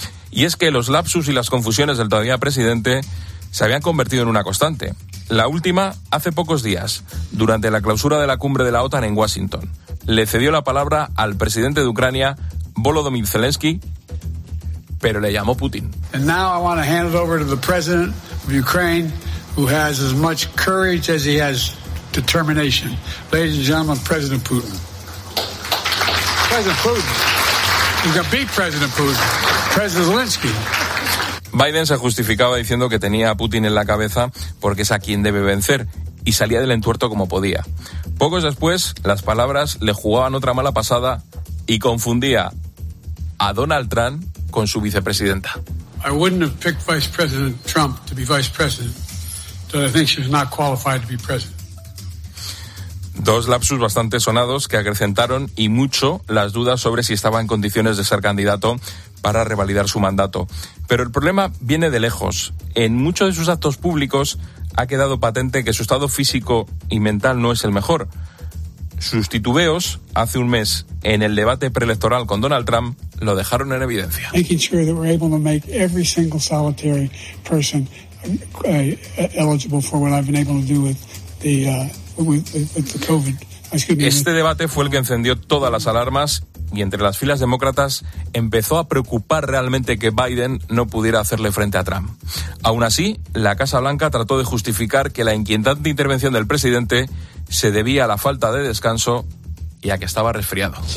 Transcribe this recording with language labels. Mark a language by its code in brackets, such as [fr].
[es] Y es que los lapsus y las confusiones del todavía presidente se habían convertido en una constante. La última, hace pocos días, durante la clausura de la cumbre de la OTAN en Washington. Le cedió la palabra al presidente de Ucrania, Volodymyr Zelensky, pero le llamó Putin. [en] And now I want to hand it over to the president of Ukraine, who has as much courage as he has determination. Ladies and gentlemen, President Putin. President Putin. You can beat President Putin. President Zelensky. [es] Biden se justificaba diciendo que tenía a Putin en la cabeza porque es a quien debe vencer, y salía del entuerto como podía. Pocos después, las palabras le jugaban otra mala pasada y confundía a Donald Trump con su vicepresidenta. [en] I wouldn't have picked Vice President Trump to be vice president, but I think she was not qualified to be president. [es] Dos lapsus bastante sonados que acrecentaron y mucho las dudas sobre si estaba en condiciones de ser candidato para revalidar su mandato. Pero el problema viene de lejos. En muchos de sus actos públicos ha quedado patente que su estado físico y mental no es el mejor. Sus titubeos hace un mes en el debate preelectoral con Donald Trump lo dejaron en evidencia. [en] Making sure that we're able to make every single solitary person eligible for what I've been able to do with the COVID. [es] Este debate fue el que encendió todas las alarmas y entre las filas demócratas empezó a preocupar realmente que Biden no pudiera hacerle frente a Trump. Aún así, la Casa Blanca trató de justificar que la inquietante intervención del presidente se debía a la falta de descanso y a que estaba resfriado.